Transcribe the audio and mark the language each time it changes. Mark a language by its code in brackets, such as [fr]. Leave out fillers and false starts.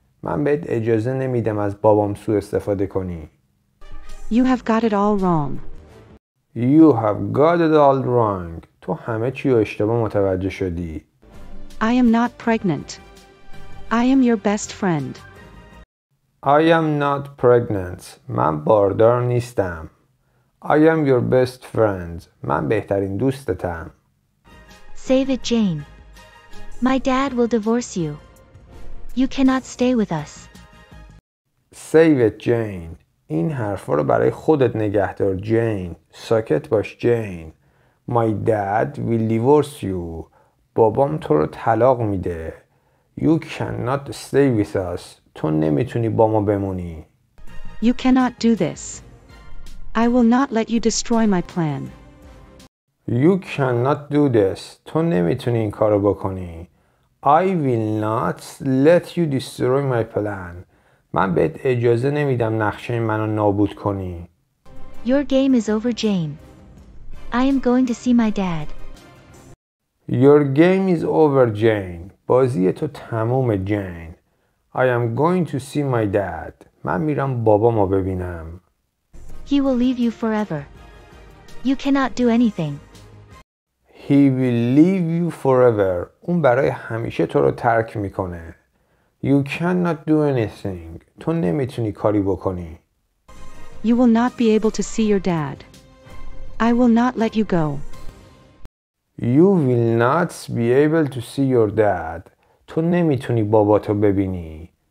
[fa] من بهت اجازه نمیدم از بابام سوء استفاده کنی. [en] You have got it all wrong. You have got it all wrong. [fa] تو همه چی رو اشتباه متوجه شدی. [en] I am not pregnant. I am your best friend. I am not pregnant. [fa] من باردار نیستم. [en] I am your best friend. [fa] من بهترین دوستتم. [en] Save it, Jane. My dad will divorce you. You cannot stay with us. Save it, Jane. [fa] این حرفا رو برای خودت نگهدار جین. ساکت باش جین. [en] My dad will divorce you. [fa] بابام تو رو طلاق میده. [en] You cannot stay with us. [fa] تو نمیتونی با ما بمونی. [en] You cannot do this. I will not let you destroy my plan. You cannot do this. [fa] تو نمیتونی این کارو بکنی. [en] I will not let you destroy my plan. [fa] من بهت اجازه نمیدم نقشه منو نابود کنی. [en] Your game is over, Jane. I am going to see my dad. Your game is over, Jane. [fa] بازی تو تمومه, Jane. [en] I am going to see my dad. [fa] من میرم بابامو ببینم. [en] He will leave you forever. You cannot do anything. He will leave you forever. [fa] اون برای همیشه تو رو ترک میکنه. [en] You cannot do anything. [fa] تو نمیتونی کاری بکنی. [en] You will not be able to see your dad. I will not let you go. You will not be able to see your dad. [fa] تو نمیتونی باباتو ببینی.